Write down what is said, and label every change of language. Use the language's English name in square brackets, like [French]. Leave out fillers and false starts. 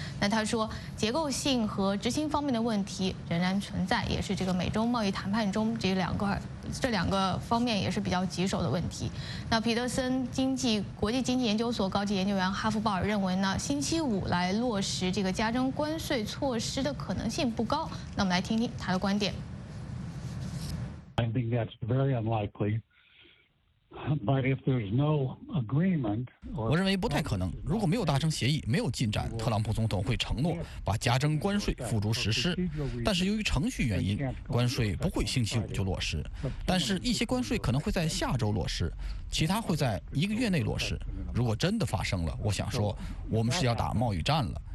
[Chinese] 那他说结构性和执行方面的问题仍然存在，也是这个美中贸易谈判中这两个方面也是比较棘手的问题。那彼得森国际经济研究所高级研究员哈夫鲍尔认为呢，星期五来落实这个加征关税措施的可能性不高。那我们来听听他的观点。 [English] I think that's very unlikely. But if there's no agreement, [Chinese] 我认为不太可能。如果没有达成协议、没有进展，特朗普总统会承诺把加征关税付诸实施。但是由于程序原因，关税不会星期五就落实。但是一些关税可能会在下周落实，其他会在一个月内落实。如果真的发生了，我想说，我们是要打贸易战了。